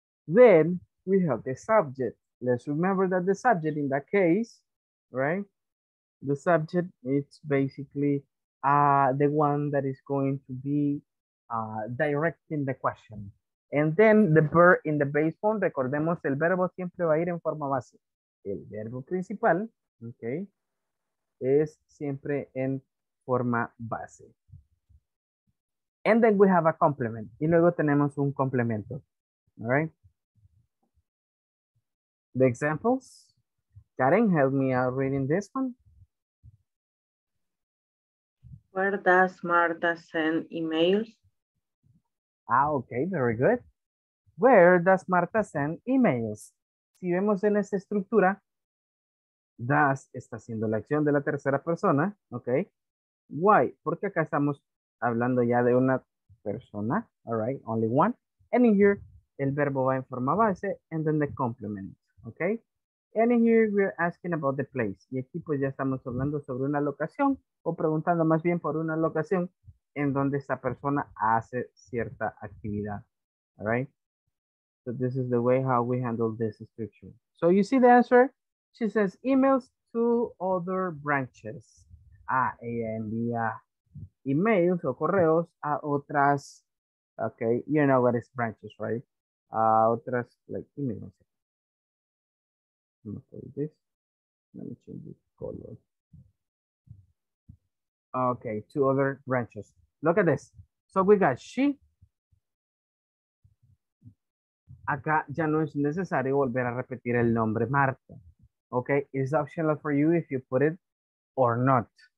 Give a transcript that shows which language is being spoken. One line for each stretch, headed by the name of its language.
English: Then we have the subject. Let's remember that the subject in that case, right? The subject, it's basically the one that is going to be directing the question. And then the verb in the base form,
Spanish: recordemos, el verbo siempre va a ir en forma base. El verbo principal, okay, es siempre en forma base.
English: And then we have a complement.
Spanish: Y luego tenemos un complemento.
English: All right. The examples. Karen, help me out reading this one. Where does Marta send emails? Ah, okay, very good. Where does Marta send emails?
Spanish: Si vemos en esta estructura, does está haciendo la acción de la tercera persona, okay? Why? Porque acá estamos hablando ya de una persona,
English: all right, only one. And in here,
Spanish: el verbo va en forma base,
English: and then the complement, okay? And in here, we're asking about the place.
Spanish: Y aquí pues ya estamos hablando sobre una locación, o preguntando más bien por una locación, en donde esta persona hace cierta actividad, all right?
English: So this is the way how we handle this structure. So you see the answer? She says emails to other branches.
Spanish: Ah, ella envía emails o correos a otras,
English: okay, you know what is branches, right? Otras, like, give me 1 second. Let me change the color. Okay, two other branches. Look at this. So we got she.
Spanish: Acá ya no es necesario volver a repetir el nombre Marta.
English: Okay, it's optional for you if you put it or not.